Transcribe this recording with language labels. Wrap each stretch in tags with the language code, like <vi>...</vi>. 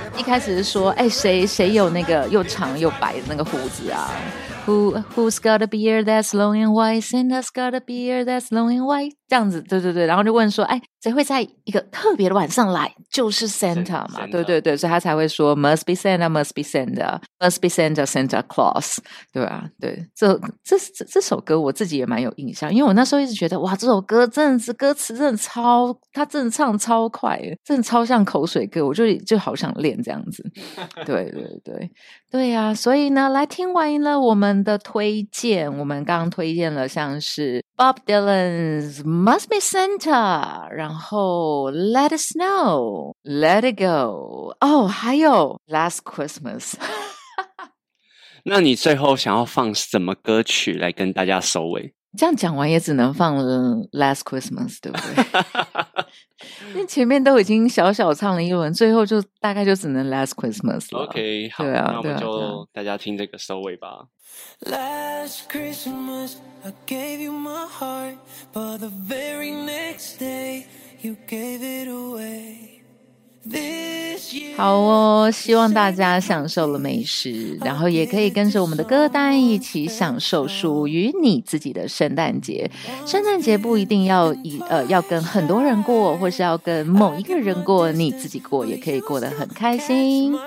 <zh>一开始是说，谁有那个又长又白的那个胡子啊？</zh> <en>Who's got a beard that's long and white? Santa's got a beard that's long and white.</en> <zh>这样子，对对对，然后就问说，谁会在一个特别的晚上来？就是 Santa 嘛， Santa. 对对对，所以他才会说 ，</zh> <en>must be Santa, must be Santa, must be Santa, Santa Claus，</en> <zh>对吧、啊？对，这首歌我自己也蛮有印象，因为我那时候一直觉得，哇，这首歌真的是歌词真的超，他真的唱超快，真的超像口水歌，我就好想练这样子。对对对对呀、啊，所以呢，来听完了我们的推荐，我们刚刚推荐了像是 Bob Dylan's Must Be Santa。然后 Let It Snow, Let It Go, 哦、oh, 还有 Last Christmas 那你最后想要放什么歌曲来跟大家收尾？这样讲完也只能放 Last Christmas 对不对？因为前面都已经小小唱了一轮，最后就大概就只能 Last Christmas 了。 OK 好，对、啊、那我们就大家听这个收尾吧。</zh> <en>Last Christmas I gave you my heart, but the very next day you gave it away. This year,</en> <zh>好哦，希望大家享受了美食，然后也可以跟着我们的歌单一起享受属于你自己的圣诞节。圣诞节不一定要跟很多人过，或是要跟某一个人过，你自己过也可以过得很开心。</zh>